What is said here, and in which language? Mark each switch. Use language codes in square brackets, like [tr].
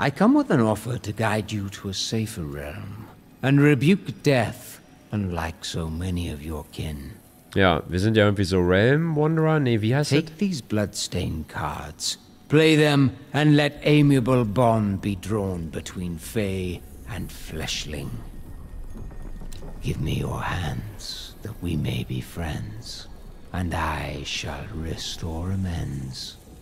[en] I come with an offer to guide you to a safer realm and rebuke death, unlike so many of your kin. [de] Ja, wir sind ja irgendwie so Realm Wanderer. Nee, wie heißt [en] Take it? These bloodstained cards. Play them and let amiable bond be drawn between Fey and Fleshling. Give me your hands. That we may be friends, and I shall restore amends.